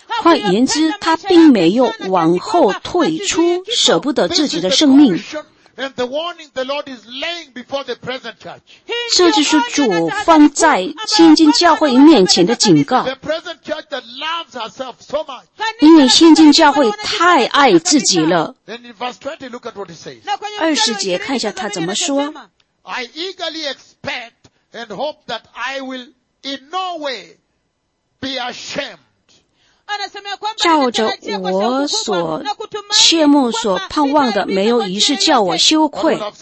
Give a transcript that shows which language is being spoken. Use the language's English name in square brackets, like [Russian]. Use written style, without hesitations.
[Chinese] 换言之， 他并没有往后退出， 舍不得自己的生命。 [English] And the warning the Lord is laying before the present church. [Chinese] 这就是主放在现今教会面前的警告。 [English] The present church that loves herself so much. [Chinese] 因为现今教会太爱自己了。 [English] Then in verse 20, look at what he says. [Chinese] 20节看一下他怎么说。 [English] I eagerly expect and hope that I will in no way be ashamed. [Chinese] 照着我所切慕所盼望的，没有一事叫我羞愧。